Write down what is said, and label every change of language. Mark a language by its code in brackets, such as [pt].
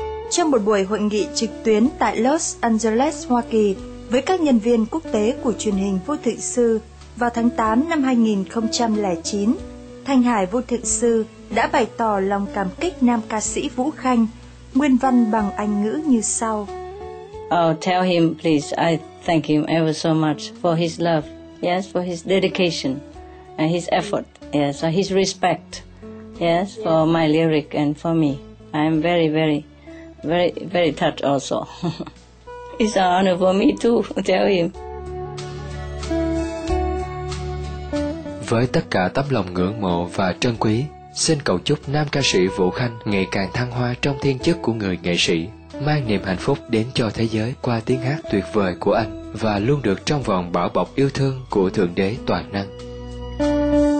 [vi] Trong một buổi hội nghị trực tuyến tại Los Angeles, Hoa Kỳ với các nhân viên quốc tế của truyền hình Vô Thự Sư vào tháng 8 năm 2009, Thanh Hải Vô Thự Sư đã bày tỏ lòng cảm kích nam ca sĩ Vũ Khanh, nguyên văn bằng Anh ngữ như sau. [en] Oh, tell him please, I thank him ever so much for his love, yes, for his dedication and his effort, yes, for his respect, yes, for my lyric and for me. I am very, very, very, very touched also. It's an honor for me too, tell him. [vi] Với tất cả tấm lòng ngưỡng mộ và trân quý, xin cầu chúc nam ca sĩ Vũ Khanh ngày càng thăng hoa trong thiên chức của người nghệ sĩ, mang niềm hạnh phúc đến cho thế giới qua tiếng hát tuyệt vời của anh và luôn được trong vòng bảo bọc yêu thương của Thượng Đế Toàn Năng.